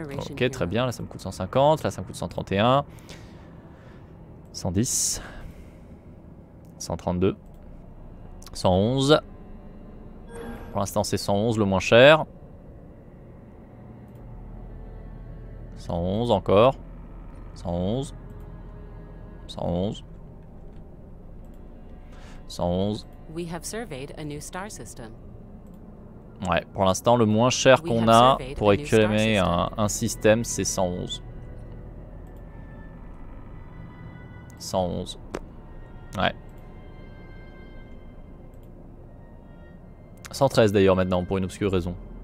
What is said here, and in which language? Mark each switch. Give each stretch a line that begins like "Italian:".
French: Ok, très bien, là ça me coûte 150, là ça me coûte 131, 110, 132, 111, pour l'instant c'est 111 le moins cher, 111 encore, 111, 111, 111.
English: We have surveyed a new star system.
French: Ouais, pour l'instant, le moins cher qu'on a pour réclamer un système, c'est 111. 111. Ouais. 113 d'ailleurs maintenant, pour une obscure raison.